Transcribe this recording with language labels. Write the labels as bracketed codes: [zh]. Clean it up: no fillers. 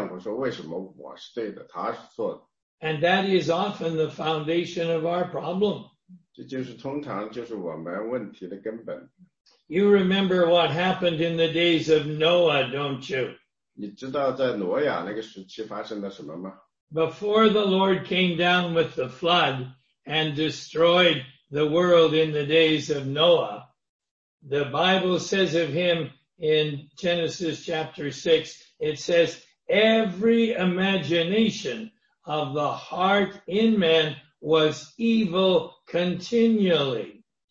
[zh] 所以呢，当我们和人有不同的意见的时候呢，我们大脑里开始想象，我们开始去做比较，我们开始为自己辩护，说为什么我是对的，他是错的。 [en] And that is often the foundation of our problem. [zh] 这就是通常就是我们问题的根本。You [en] remember what happened in the days of Noah, don't you? [zh] 你知道在挪亚那个时期发生了什么吗? [en] Before the Lord came down with the flood and destroyed the world in the days of Noah, the Bible says of him in Genesis chapter 6, it says, every imagination of the heart in man was evil continually.